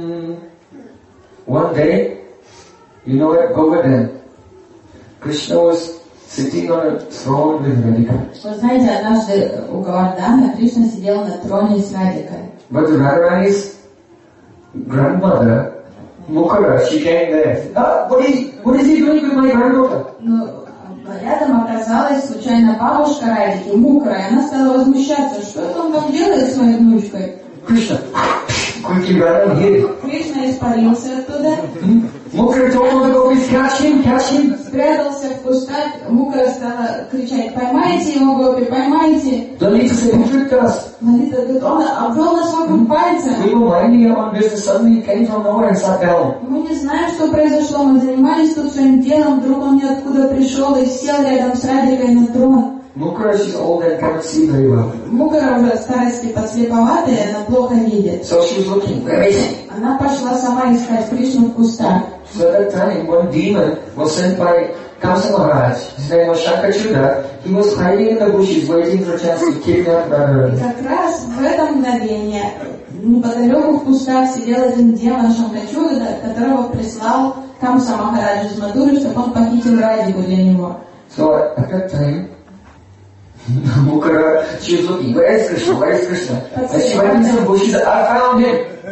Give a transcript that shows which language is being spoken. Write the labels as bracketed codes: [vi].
[en] One day, you know at Govardhan, Krishna was sitting on a throne with Radhika. [ru] Вы знаете, однажды у Говардхана Кришна сидел на троне с Радхикой. [en] But Radharani's grandmother, Mukhara, she came there. What is he doing with my grandmother? [ru] Но рядом оказалась случайно бабушка Радхики, Мукхара, и она стала возмущаться. Что это он там делает с моей внучкой? Кришна. Кришна испарился оттуда. [en] Мукра told him to go with catch him. [ru] Спрятался в кустах. Мукра стала кричать: поймайте его, Гопи, поймайте. Лалита говорит: он обвел нас вокруг пальца. [en] We were minding our own business, suddenly he came from nowhere and sat down. [ru] Мы не знаем, что произошло. Мы занимались тут своим делом, вдруг он ниоткуда пришел и сел рядом с Радхикой на трон. [en] Mukhara, she's old and can't see very well. [ru] Mukhara уже старости подслеповатая, она плохо видит. [en] So she's looking. Where is he? [ru] Она пошла сама искать Кришну в кустах. [en] So at that time, one demon was sent by Kamsa Maharaj. His name was Shankachuda. He was hiding in the bushes, waiting for a chance to kidnap Radharani. [ru] Как раз в это мгновение неподалеку в кустах сидел один демон Шанкачуда, которого прислал Камса Махарадж из Мадуры, чтобы он похитил Радику для него. [en] So at that time, Mukhara, she was looking, where is Krishna? And she went into the bushes, I found him.